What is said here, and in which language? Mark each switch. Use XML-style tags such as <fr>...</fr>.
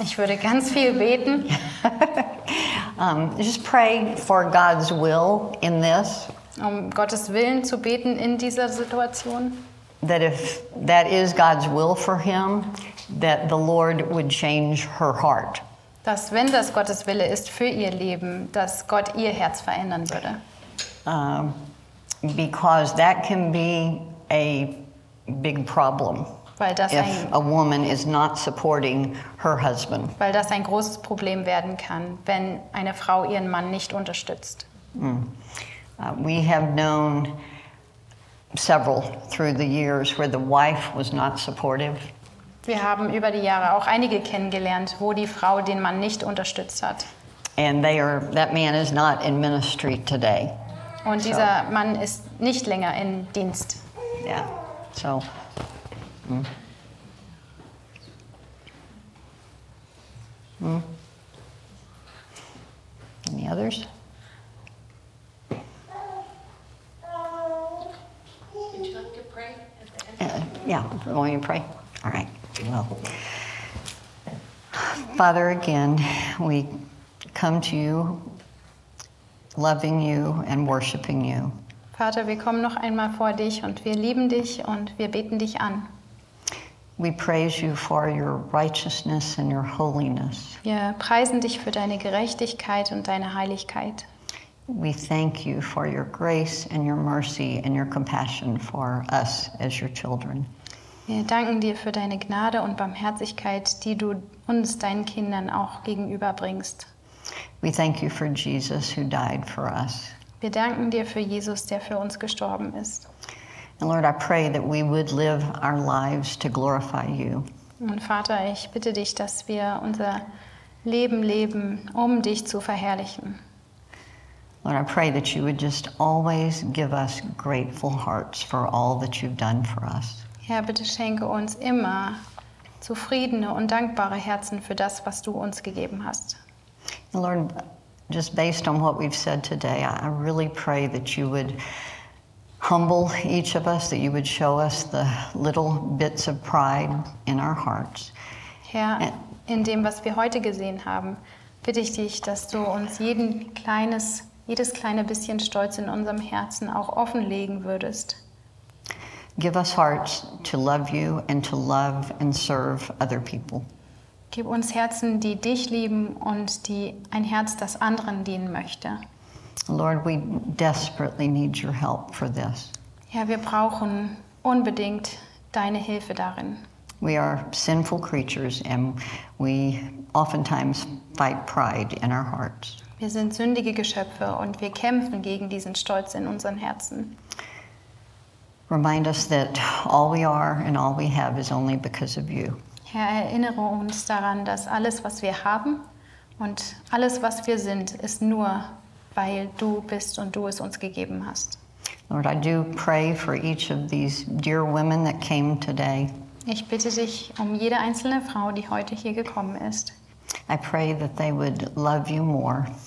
<de>Ich würde ganz viel beten.</de> <en>just pray for God's will in this.</en> <de>Um Gottes Willen zu beten in dieser Situation.</de> <en>That if that is God's will for him, that the Lord would change her heart.</en> <de>Dass wenn das Gottes Wille ist für ihr Leben, dass Gott ihr Herz verändern würde.</de> <en>Because that can be a big problem.</en> <de>Weil das</de> <en>if a woman is not supporting her husband.</en> <de>Weil das ein großes Problem werden kann, wenn eine Frau ihren Mann nicht unterstützt. Mm.</de> <en>We have known several through the years where the wife was not supportive.</en> <de>Wir haben über die Jahre auch einige kennengelernt, wo die Frau den Mann nicht unterstützt hat.</de> <en>And they are, that man is not in ministry today.</en> <de>Und dieser so. Mann ist nicht länger in Dienst. Ja, yeah. So. Mm. Mm.</de> <en>Any others? Yeah, want me to pray? All right, well. Father, again, we come to you, loving you and worshiping you.</en> <de>Vater, wir kommen noch einmal vor dich und wir lieben dich und wir beten dich an.</de> <en>We praise you for your righteousness and your holiness.</en> <de>Wir preisen dich für deine Gerechtigkeit und deine Heiligkeit.</de> <en>We thank you for your grace and your mercy and your compassion for us as your children.</en> <de>Wir danken dir für deine Gnade und Barmherzigkeit, die du uns, deinen Kindern, auch gegenüberbringst.</de> <en>We thank you for Jesus who died for us.</en> <de>Wir danken dir für Jesus, der für uns gestorben ist.</de> <en>And Lord, I pray that we would live our lives to glorify you.</en> <de>Und Vater, ich bitte dich, dass wir unser Leben leben, dich zu verherrlichen.</de> <en>Lord, I pray that you would just always give us grateful hearts for all that you've done for us.</en> <de>Herr, bitte schenke uns immer zufriedene und dankbare Herzen für das, was du uns gegeben hast.</de> <en>Lord, just based on what we've said today, I really pray that you would humble each of us, that you would show us the little bits of pride in our hearts.</en> <de>Herr, in dem, was wir heute gesehen haben, bitte ich dich, dass du uns jedes kleine bisschen Stolz in unserem Herzen auch offenlegen würdest.</de> <en>Give us hearts to love you and to love and serve other people.</en> <de>Gib uns Herzen, die dich lieben und die ein Herz, das anderen dienen möchte.</de> <en>Lord, we desperately need your help for this.</en> <de>Herr, wir brauchen unbedingt deine Hilfe darin.</de> <en>We are sinful creatures and we oftentimes fight pride in our hearts.</en> <de>Wir sind sündige Geschöpfe und wir kämpfen gegen diesen Stolz in unseren Herzen.</de> <en>Remind us that all we are and all we have is only because of you.</en> <de>Herr, erinnere uns daran, dass alles, was wir haben und alles, was wir sind, ist nur, weil du bist und du es uns gegeben hast.</de> <en>Lord, I do pray for each of these dear women that came today.</en> <de>Ich bitte dich um jede einzelne Frau, die heute hier gekommen ist.</de> <en>I pray that they would love you more.</en>